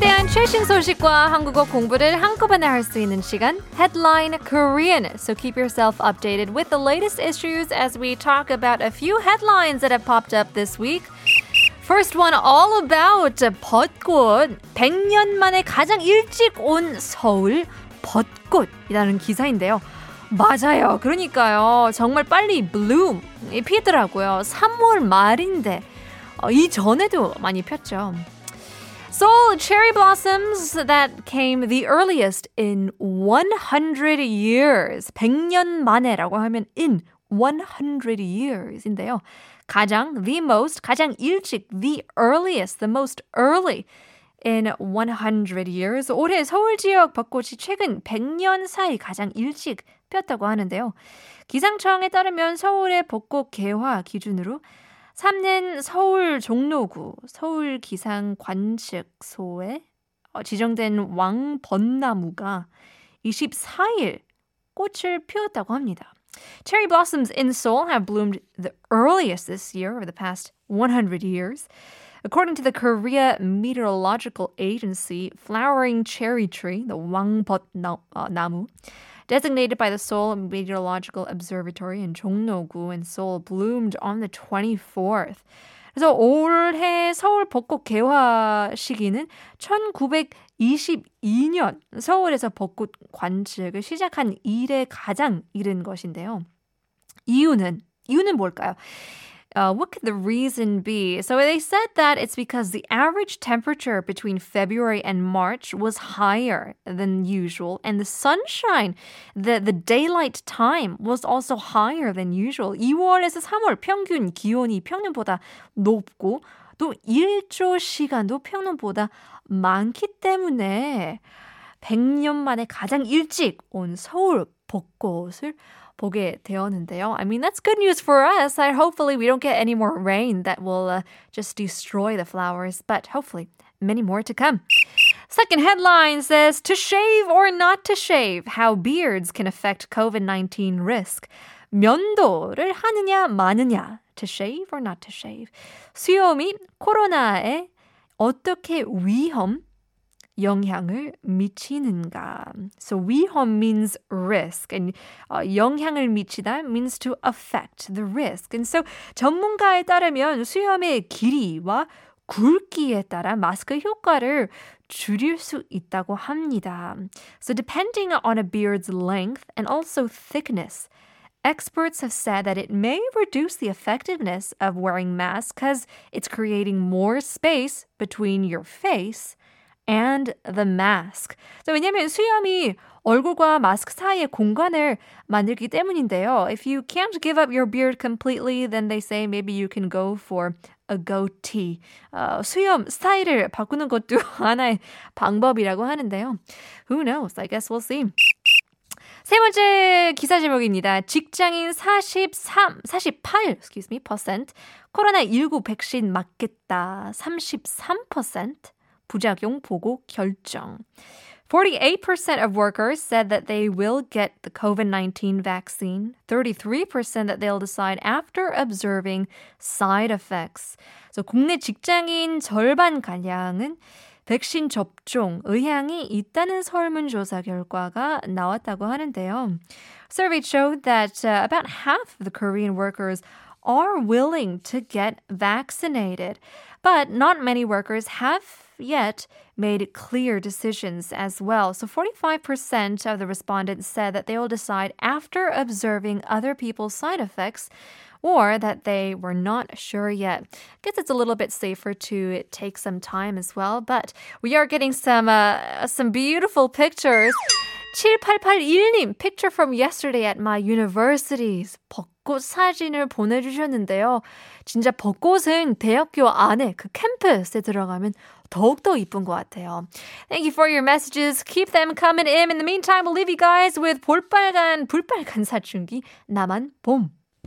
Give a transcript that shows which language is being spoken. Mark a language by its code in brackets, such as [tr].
[ko] 최신 소식과 한국어 공부를 한꺼번에 할 수 있는 시간 [en] Headline Korean. So keep yourself updated with the latest issues as we talk about a few headlines that have popped up this week. First one all about 벚꽃. [ko] 100년 만에 가장 일찍 온 서울 벚꽃이라는 기사인데요. 맞아요. 그러니까요. 정말 빨리 bloom 피더라고요. 3월 말인데 이전에도 많이 폈죠. [en] Seoul cherry blossoms that came the earliest in 100 years. [ko] 100년 만에라고 하면 [en] in 100 years [ko] 인데요. [en] 가장, the most, [ko] 가장 일찍, [en] the earliest, the most early in 100 years. [ko] 올해 서울 지역 벚꽃이 최근 100년 사이 가장 일찍 폈다고 하는데요. 기상청에 따르면 서울의 벚꽃 개화 기준으로 3년 서울 종로구 서울기상관측소에 지정된 왕벚나무가 24일 꽃을 피웠다고 합니다. [en] Cherry blossoms in Seoul have bloomed the earliest this year over the past 100 years. According to the Korea Meteorological Agency, flowering cherry tree, the 왕벚나무, designated by the Seoul Meteorological Observatory in 종로구 in Seoul, bloomed on the 24th. [ko] 그래서 올해 서울 벚꽃 개화 시기는 1922년 서울에서 벚꽃 관측을 시작한 이래 가장 이른 것인데요. 이유는 뭘까요? [en] What could the reason be? So they said that it's because the average temperature between February and March was higher than usual, and the sunshine, the daylight time was also higher than usual. [ko] 2월에서 3월 평균 기온이 평년보다 높고 또 일조 시간도 평년보다 많기 때문에 100년 만에 가장 일찍 온 서울 벚꽃을 보게 되었는데요. [en] I mean, that's good news for us. Hopefully, we don't get any more rain that will just destroy the flowers. But hopefully, many more to come. Second headline says, to shave or not to shave, how beards can affect COVID-19 risk. [ko] 면도를 하느냐 마느냐, [en] to shave or not to shave. [ko] 수염이 코로나에 어떻게 위험? 영향을 미치는가. [en] So 위험 means risk, and [ko] 영향을 미치다 [en] means to affect the risk. [ko] And so 전문가에 따르면 수염의 길이와 굵기에 따라 마스크 효과를 줄일 수 있다고 합니다. [en] So depending on a beard's length and also thickness, experts have said that it may reduce the effectiveness of wearing masks because it's creating more space between your face and the mask. [ko] So, 왜냐면 수염이 얼굴과 마스크 사이의 공간을 만들기 때문인데요. [en] If you can't give up your beard completely, then they say maybe you can go for a goatee. [ko] 수염 스타일을 바꾸는 것도 하나의 방법이라고 하는데요. [en] Who knows? I guess we'll see. [ko] 세 번째 기사 제목입니다. 직장인 48% 코로나19 백신 맞겠다. 33% 부작용 보고 결정. [en] 48% of workers said that they will get the COVID-19 vaccine. 33% that they'll decide after observing side effects. [ko] So 국내 직장인 절반가량은 백신 접종 의향이 있다는 설문조사 결과가 나왔다고 하는데요. [en] Survey showed that about half of the Korean workers are willing to get vaccinated. But not many workers have yet made clear decisions as well. So 45% of the respondents said that they will decide after observing other people's side effects or that they were not sure yet. I guess it's a little bit safer to take some time as well, but we are getting some beautiful pictures. 7881님, picture from yesterday at my university's 벚꽃 [ko] 사진을 보내주셨는데요. 진짜 벚꽃은 대학교 안에 그 캠퍼스에 들어가면 더욱더 이쁜 것 같아요. [en] Thank you for your messages. Keep them coming in. In the meantime, we'll leave you guys with 볼빨간 사춘기 나만 봄.